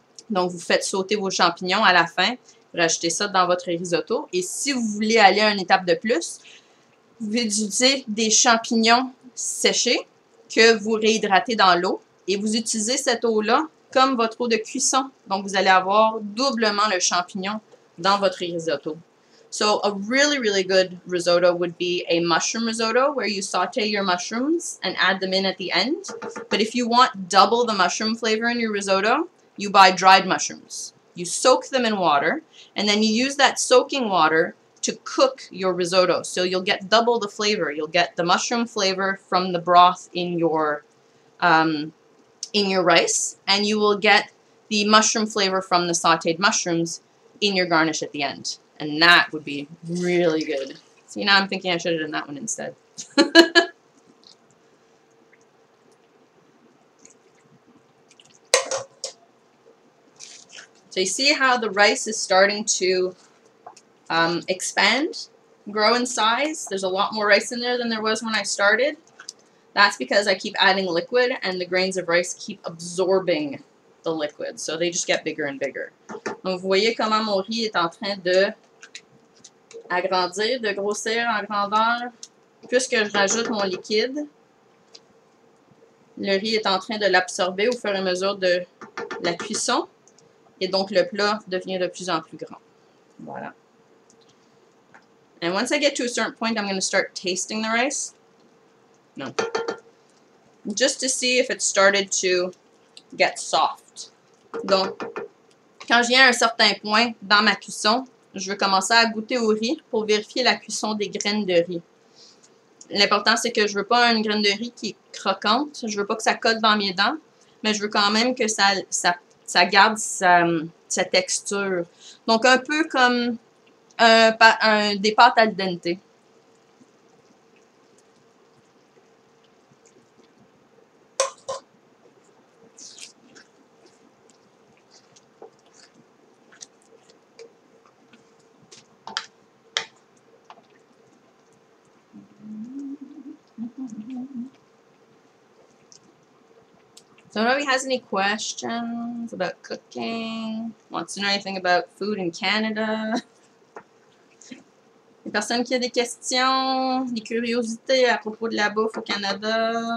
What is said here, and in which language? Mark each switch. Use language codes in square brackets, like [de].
[fr] Donc, vous faites sauter vos champignons à la fin, vous rajoutez ça dans votre risotto. Et si vous voulez aller à une étape de plus, vous pouvez utiliser des champignons séchés que vous réhydratez dans l'eau et vous utilisez cette eau-là comme votre eau de cuisson. Donc, vous allez avoir doublement le champignon dans votre risotto. [en] So, a really, really good risotto would be a mushroom risotto where you saute your mushrooms and add them in at the end. But if you want double the mushroom flavor in your risotto, you buy dried mushrooms. You soak them in water, and then you use that soaking water to cook your risotto. So, you'll get double the flavor. You'll get the mushroom flavor from the broth in your in your rice, and you will get the mushroom flavor from the sautéed mushrooms in your garnish at the end. And that would be really good. See, now I'm thinking I should have done that one instead. So you see how the rice is starting to expand, grow in size? There's a lot more rice in there than there was when I started. That's because I keep adding liquid and the grains of rice keep absorbing the liquid. So they just get bigger and bigger. [fr] Donc, vous voyez comment mon riz est en train de agrandir, de grossir en grandeur. Puisque je rajoute mon liquide, le riz est en train de l'absorber au fur et à mesure de la cuisson. Et donc, le plat devient de plus en plus grand. Voilà. [en] And once I get to a certain point, I'm going to start tasting the rice. No. Just to see if it started to get soft. [fr] Donc, quand je viens à un certain point dans ma cuisson, je veux commencer à goûter au riz pour vérifier la cuisson des graines de riz. L'important, c'est que je veux pas une graine de riz qui est croquante. Je veux pas que ça colle dans mes dents, mais je veux quand même que ça garde sa texture. Donc, un peu comme des pâtes al dente. [en] So nobody has any questions about cooking, wants to know anything about food in Canada. [fr] Y a personne qui a des questions, des curiosités à propos de la bouffe au Canada.